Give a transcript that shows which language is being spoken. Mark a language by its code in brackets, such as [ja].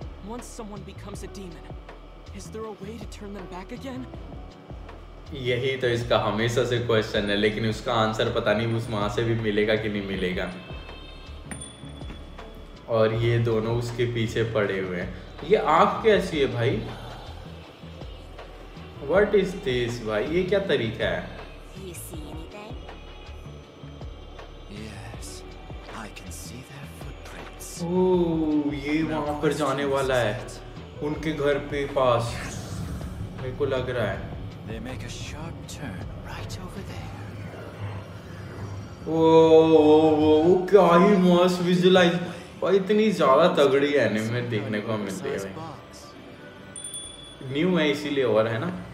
[en] Once someone becomes a demon, is there a way to turn them back again? [hi] यही तो इसका हमेशा से क्वेश्चन है, लेकिन उसका आंसर पता नहीं उस माँ से भी मिलेगा कि नहीं मिलेगा। और ये दोनों उसके पीछे पड़े हुए हैं। ये आँख कैसी है भाई? [en] What is this भाई? [hi] ये क्या तरीका है? [en] You see anything? Yes, I can see their footprints. [hi] Ooh, ये वहाँ पर जाने वाला है, उनके घर पे पास। मेरे को लग रहा है। [en] They make a sharp turn right over there. [hi] Whoa, क्या ही मस्त विजुलाइज। भाई इतनी ज्यादा तगड़ी है ना, मैं देखने को मिलती है। न्यू है इसीलिए और है ना।